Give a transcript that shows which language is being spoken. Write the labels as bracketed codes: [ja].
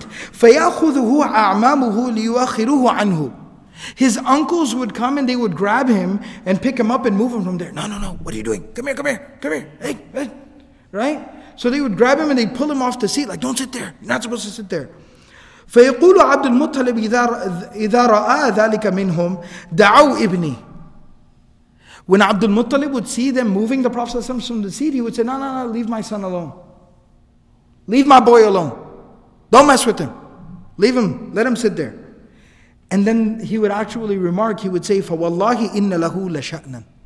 [ar] فَيَأْخُذُهُ أَعْمَامُهُ لِيُؤَخِّرُهُ عَنْهُ. [en] His uncles would come and they would grab him and pick him up and move him from there. No, no, no. What are you doing? Come here, come here, come here. Hey, hey. Right? So they would grab him and they'd pull him off the seat. Like, don't sit there. You're not supposed to sit there. [ar] فيقول عبد المطلب إذا رأى ذلك منهم دعوا ابني. [en] When عبد المطلب would see them moving the Prophet ﷺ from the seat, he would say, no, leave my son alone. Leave my boy alone. Don't mess with him. Leave him. Let him sit there. And then he would actually remark, he would say, [ar] فَوَاللَّهِ إِنَّ لَهُ لَشَأْنًا.